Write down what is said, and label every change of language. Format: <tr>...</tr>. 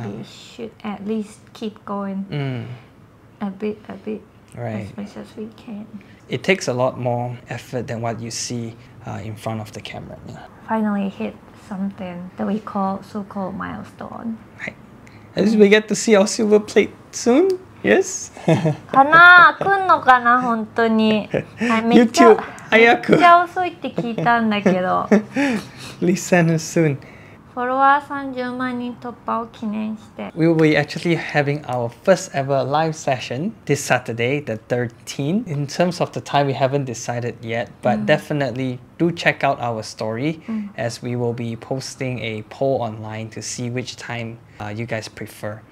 <en>Maybe we should at least keep going a bit, right, as much as we can. It takes a lot more effort than what you see in front of the camera. Yeah. Finally hit something that we call so-called milestone. Right. As we get to see our silver plate soon, yes?</en> <ja>かな、来んのかな、本当に。 YouTube、早く。めっちゃ遅いって聞いたんだけど。</ja> <en>Listen soon.</en> <ja>フォロワー30万人突破を記念して。</ja> <en>We will be actually having our first ever live session this Saturday, the 13th. In terms of the time, we haven't decided yet, but definitely do check out our story as we will be posting a poll online to see which time you guys prefer.</en>